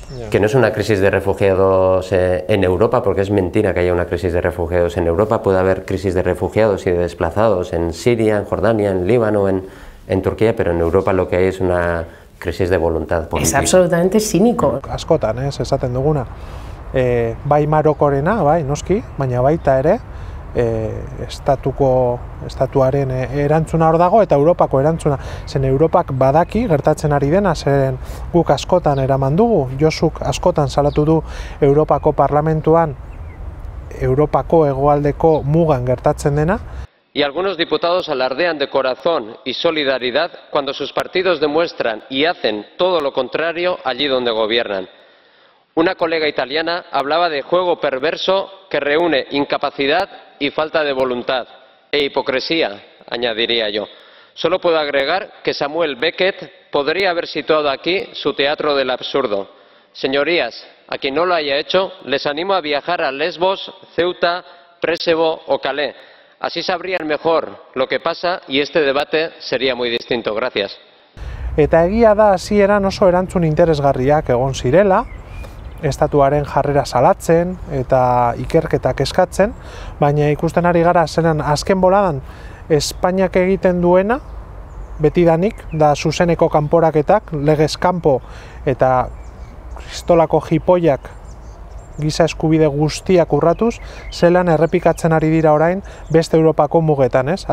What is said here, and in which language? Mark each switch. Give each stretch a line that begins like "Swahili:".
Spanish: Que no es una crisis de refugiados en Europa, porque es mentira que haya una crisis de refugiados en Europa. Puede haber crisis de refugiados y de desplazados en Siria, en Jordania, en Líbano, en Turquía, pero en Europa lo que hay es una crisis de voluntad política. Es absolutamente cínico.
Basque: Askotan, esaten duguna. Bai Marokorena, bai, noski, baina baita ere, estatuaren erantzuna hor dago eta Europako erantzuna. Zen Europak badaki gertatzen ari dena, zen guk askotan eraman dugu, Josuk askotan salatu du Europako Parlamentuan Europako hegoaldeko mugan gertatzen dena.
Spanish: Y algunos diputados alardean de corazón y solidaridad cuando sus partidos demuestran y hacen todo lo contrario allí donde gobiernan. Una colega italiana hablaba de juego perverso que reúne incapacidad y falta de voluntad, e hipocresía, añadiría yo. Solo puedo agregar que Samuel Beckett podría haber situado aquí su teatro del absurdo. Señorías, a quien no lo haya hecho, les animo a viajar a Lesbos, Ceuta, Presevo o Calais. Así sabrían mejor lo que pasa y este debate sería muy distinto. Gracias.
Basque: Eta egia da hasieran oso erantzun interesgarriak egon zirela, estatuaren jarrera salatzen eta ikerketak eskatzen, baina ikusten ari gara zelan azken boladan Espainiak egiten duena betidanik da zuzeneko kanporaketak, legez kanpo eta kristolako jipoiak giza eskubide guztiak urratuz, zelan errepikatzen ari dira orain beste Europako mugetan, ez?